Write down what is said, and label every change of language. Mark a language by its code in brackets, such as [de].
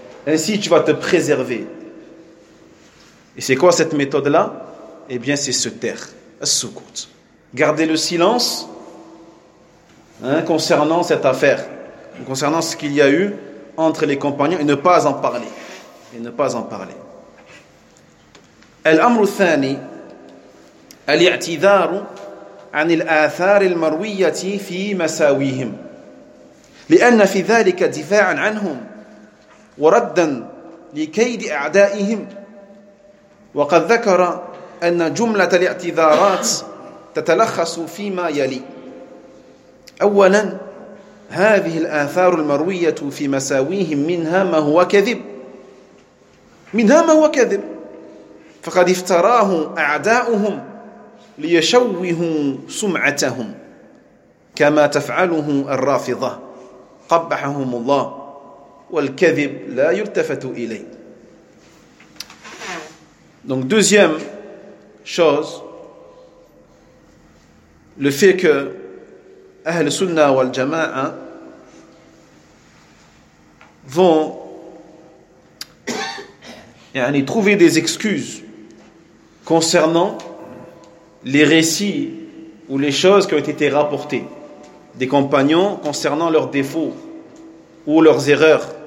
[fr] Ainsi, tu vas te préserver. Et c'est quoi cette méthode-là? Eh bien, c'est se taire, as-sukut. Garder le silence. Hein, concernant cette affaire, concernant ce qu'il y a eu entre les compagnons, et ne pas en parler. Et ne pas en parler. [ar] الأمر الثاني الاعتذار عن الآثار المروية في مساويهم لأن في ذلك دفاعا عنهم وردا لكيد أعدائهم وقد ذكر أن جملة الاعتذارات تتلخص فيما يلي أولا هذه الآثار المروية في مساويهم منها ما هو كذب منها ما هو كذب فقد افتراه أعداؤهم ليشوهوا سمعتهم كما تفعله الرافضة قبحهم الله والكذب لا يلتفت إليه. [fr] Donc deuxième chose, le fait que Ahl Sunnah wal Jama'a vont yani, trouver des excuses concernant les récits ou les choses qui ont été rapportées des compagnons concernant leurs défauts ou leurs erreurs.